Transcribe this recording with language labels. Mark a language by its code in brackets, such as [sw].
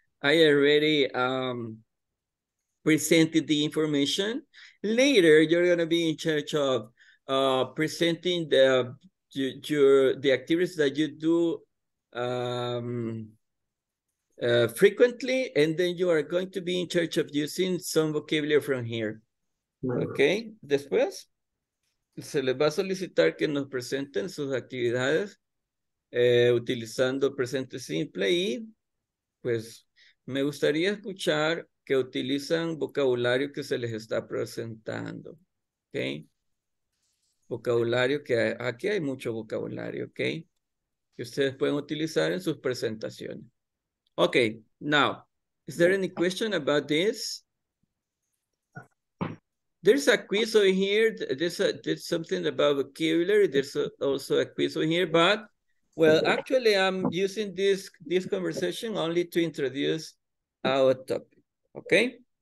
[en] I already presented the information. Later, you're going to be in charge of presenting the activities that you do frequently, and then you are going to be in charge of using some vocabulary from here. [es] Okay, después se les va a solicitar que nos presenten sus actividades utilizando presente simple, y pues me gustaría escuchar que utilizan vocabulario que se les está presentando. Okay, vocabulario que hay, aquí hay mucho vocabulario, okay, que ustedes pueden utilizar en sus presentaciones. [en] Okay, now, is there any question about this? There's a quiz over here. There's something about vocabulary. There's also a quiz over here, but, well, actually, I'm using this conversation only to introduce our topic, okay?